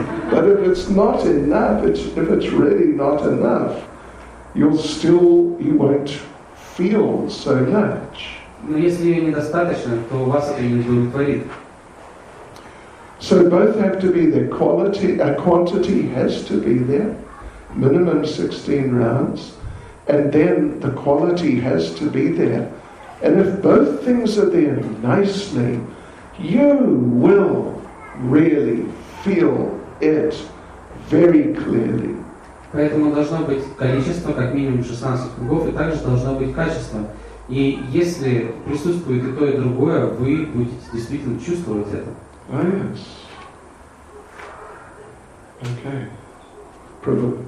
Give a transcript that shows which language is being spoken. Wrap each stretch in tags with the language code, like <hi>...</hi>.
<en>But if it's not enough, if it's really not enough, you won't feel so much.</en> <ru>Но если ее недостаточно, то у вас это не удовлетворит.</ru> <en>So both have to be there. Quantity has to be there. Minimum 16 rounds. And then the quality has to be there. And if both things are there nicely, you will really feel it very clearly.</en> <ru>Поэтому должно быть количество, как минимум 16 кругов, и также должно быть качество. И если присутствует и то, и другое, вы будете действительно чувствовать это.</ru> <en>Oh, yes. Okay. Прабху,</en>